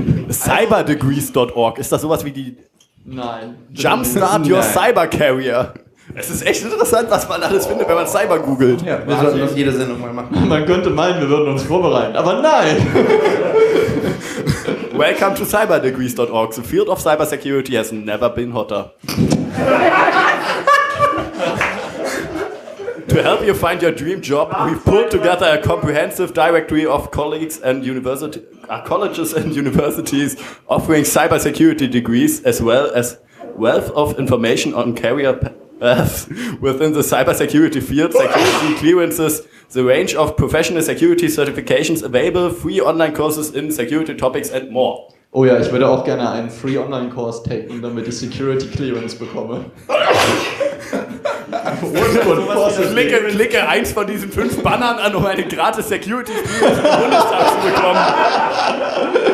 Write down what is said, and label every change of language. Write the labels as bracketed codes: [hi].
[de] Cyberdegrees.org, ist das sowas wie die... Nein. [en] Jumpstart your Cyber Carrier. [de] Es ist echt interessant, was man alles findet, wenn man Cyber googelt. Ja, wir sollten das jede Sendung mal machen. Man könnte meinen, wir würden uns vorbereiten, aber nein. [en] Welcome to Cyberdegrees.org. The field of cybersecurity has never been hotter. To help you find your dream job, we've pulled together a comprehensive directory of colleagues and colleges and universities offering cybersecurity degrees, as well as wealth of information on career paths within the cybersecurity field, security clearances, the range of professional security certifications available, free online courses in security topics and more. [de] Oh ja, ich würde auch gerne einen [en] free online course [de] taken, damit ich Security Clearance bekomme. Klicke eins von diesen 5 Bannern an, um eine gratis Security Clearance im Bundestag zu bekommen.